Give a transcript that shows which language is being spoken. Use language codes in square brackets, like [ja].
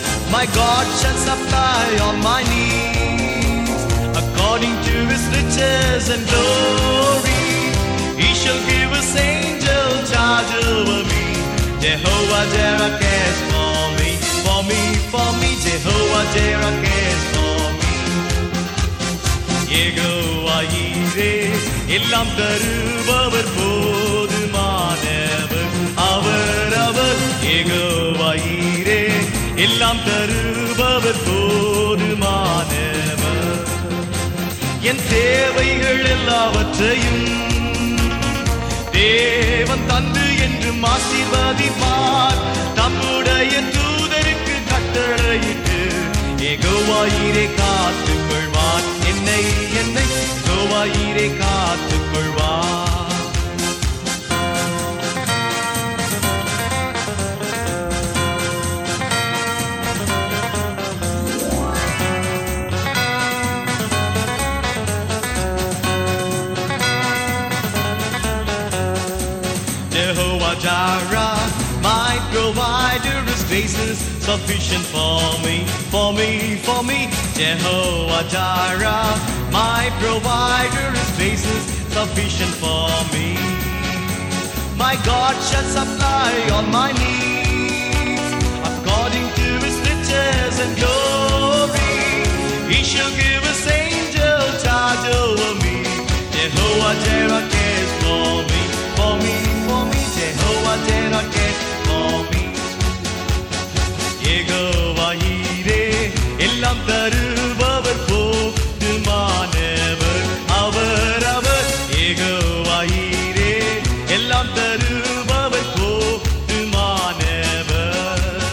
[en] My God shall supply all my needs according to his riches and glory. He shall give his angel charge over me. Jehovah Jireh cares for me, for me, for me. Jehovah Jireh cares for me. [ta] யெகோவாயிரே எல்லாம் தருபவர் போதுமானவர் அவர் அவர். யெகோவாயிரே எல்லாம் தருபவர் போதுமானவர். என் தேவைகள் எல்லாவற்றையும் தேவன் தந்து என்று ஆசீர்வதிப்பார். தம்முடைய தூதருக்கு கட்டளையிட்டு யெகோவாயிரே காத்துக்கொள்வார். என்னை என்னை யெகோவாயிரே காத்துக் கொள்வார். [en] Jehovah Jireh, my provider is Jesus, sufficient for me, for me, for me. Jehovah Jireh, my provider is Jesus, sufficient for me. My God shall supply all my needs according to his riches and glory. He shall give his angel charge over me. Jehovah Jireh cares for me, for me, for me. Jehovah Jireh cares for me. [ta] Jehovah Jireh எல்லாம் தருபவர் போதுமானவர் அவர் அவர். யெகோவாயிரே எல்லாம் தருபவர் போதுமானவர்.